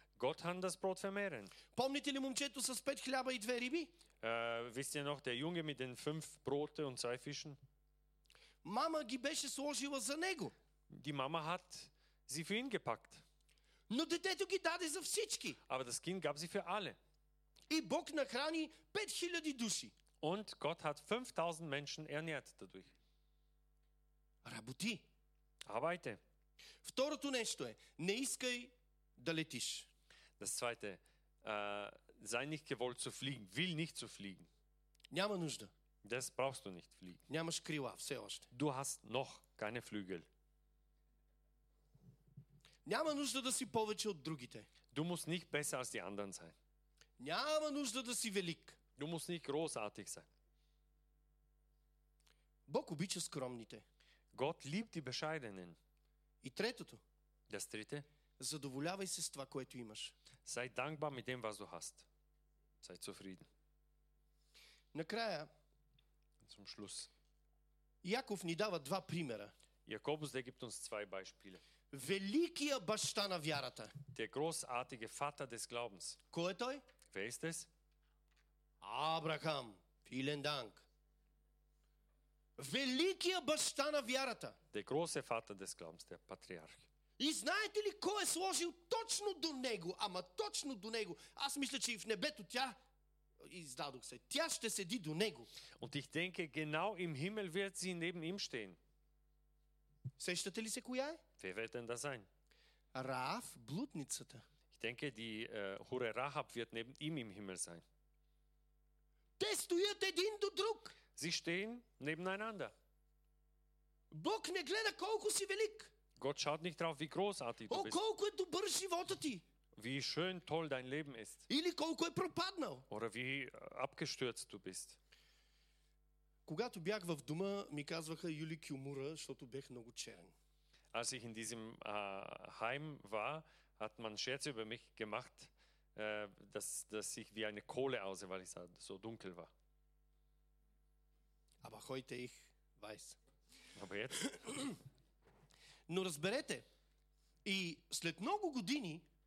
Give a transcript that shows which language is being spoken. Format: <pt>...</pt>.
<de>Gott kann das Brot vermehren.</de> <bg>Помните ли момчето с 5 хляба и 2 риби?</bg> <de>Wisst ihr noch, der Junge mit den 5 Brote und 2 Fischen?</de> <bg>Мама ги беше сложила за него.</bg> <de>Die Mama hat sie für ihn gepackt.</de> <bg>Но детето ги даде за всички.</bg> <de>Aber das Kind gab sie für alle.</de> <bg>И Бог нахрани 5000 души.</bg> <de>Und Gott hat 5000 Menschen ernährt dadurch.</de> <bg>Работи.</bg> <de>Arbeite.</de> <bg>Второто нещо е, не искай да летиш.</bg> <de>Das zweite, sei nicht gewollt zu fliegen, will nicht zu fliegen.</de> <bg>Няма нужда.</bg> <de>Das brauchst du nicht fliegen.</de> <bg>Нямаш крила все още.</bg> <de>Du hast noch keine Flügel.</de> <bg>Няма нужда да си повече от другите.</bg> <de>Du musst nicht besser als die anderen sein.</de> <bg>Няма нужда да си велик.</bg> <de>Du musst nicht großartig sein.</de> <bg>Бог обича скромните.</bg> <de>Gott liebt die Bescheidenen.</de> <bg>И третото.</bg> <de>Das dritte.</de> <bg>Задоволявай се с това, което имаш.</bg> <de>Sei dankbar mit dem, was du hast. Sei zufrieden.</de> <bg>Накрая.</bg> <de>Zum Schluss.</de> <bg>Яков ни дава два примера.</bg> <de>Jakobus, der gibt uns zwei Beispiele.</de> <bg>Великия баща на вярата.</bg> <de>Der großartige Vater des Glaubens.</de> <bg>Кой е той?</bg> <de>Wer ist es?</de> <bg>Abraham.</bg> <de>Vielen Dank.</de> <bg>Великия баща на вярата.</bg> <de>Der große Vater des Glaubens, der Patriarch.</de> <bg>И знаете ли кой е сложил точно до него, ама точно до него? Аз мисля, че и в небето тя издадох се. Тя ще седи до него.</bg> <de>Und ich denke, genau im Himmel wird sie neben ihm stehen.</de> <bg>Сещате ли се коя е?</bg> <de>Wer wird denn das sein?</de> <bg>Раав, блудницата.</bg> <de>Ich denke, die Hure Rahab wird neben ihm im Himmel sein.</de> <bg>Те стоят един до друг.</bg> <de>Sie stehen nebeneinander.</de> <bg>Бог не гледа колко си велик.</bg> <de>Gott schaut nicht drauf, wie großartig du bist.</de> <bg>Колко е добър живота ти.</bg> <de>Wie schön toll dein Leben ist.</de> <bg>Или колко е пропаднал.</bg> <de>Oder wie abgestürzt du bist.</de> <bg>Когато бях в дома, ми казваха Юли Кюмура, защото бях много черен.</bg> <de>Als ich in diesem Heim war, hat man Scherze über mich gemacht, dass ich wie eine Kohle aussah, weil ich so dunkel war. Aber heute ich weiß. Aber jetzt?</de> <bg>Но разберете, и след много години,</bg>